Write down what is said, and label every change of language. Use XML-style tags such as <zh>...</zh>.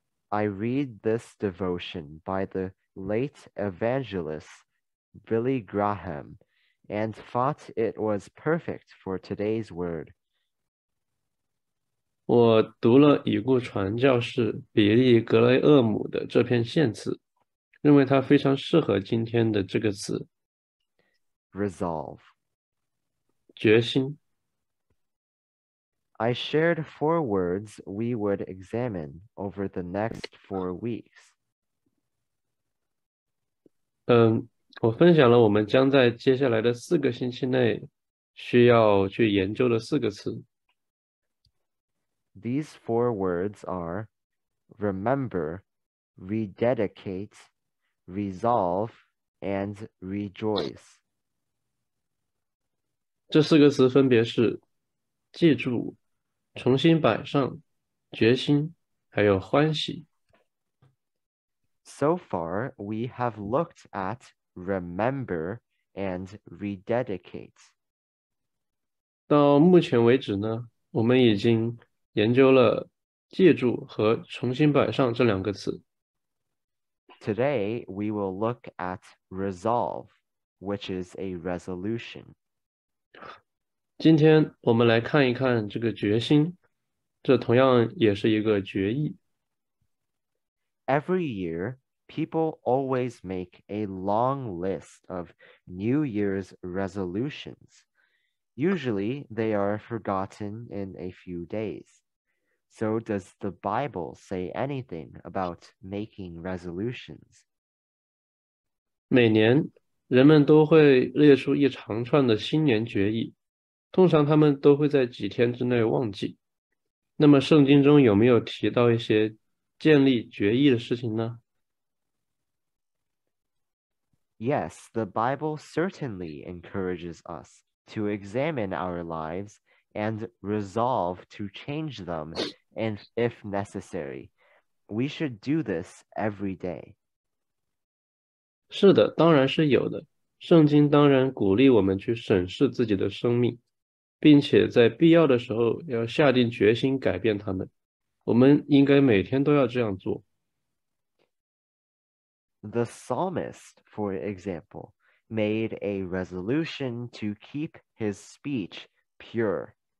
<en>I read this devotion by the late evangelist Billy Graham and thought it was perfect for today's word.</en> <zh>我读了已故传教士比利·格雷厄姆的这篇献词，认为它非常适合今天的这个词。</zh> <en>Resolve.</en> <zh>决心。</zh> <en>I shared four words we would examine over the next 4 weeks.</en> <zh>我分享了我们将在接下来的四个星期内需要去研究的四个词。</zh> <en>These four words are remember, rededicate, resolve, and rejoice.</en> <zh>这四个词分别是记住、重新摆上、决心、还有欢喜。</zh> <en>So far, we have looked at remember and rededicate.</en> <zh>到目前为止呢，我们已经研究了记住和重新摆上这两个词。</zh> <en>Today, we will look at resolve, which is a resolution.</en> <zh>今天我们来看一看这个决心，这同样也是一个决议。</zh> <en>Every year, people always make a long list of New Year's resolutions. Usually, they are forgotten in a few days. So does the Bible say anything about making resolutions?</en> <zh>每年，人们都会列出一长串的新年决议，通常他们都会在几天之内忘记。那么圣经中有没有提到一些建立决议的事情呢？</zh> <en>Yes, the Bible certainly encourages us to examine our lives and resolve to change them. And if necessary, we should do this every day.</en> <zh>是的，当然是有的。圣经当然鼓励我们去审视自己的生命，并且在必要的时候要下定决心改变他们。我们应该每天都要这样做。</zh> <en>The psalmist, for example, made a resolution to keep his speech pure.</en>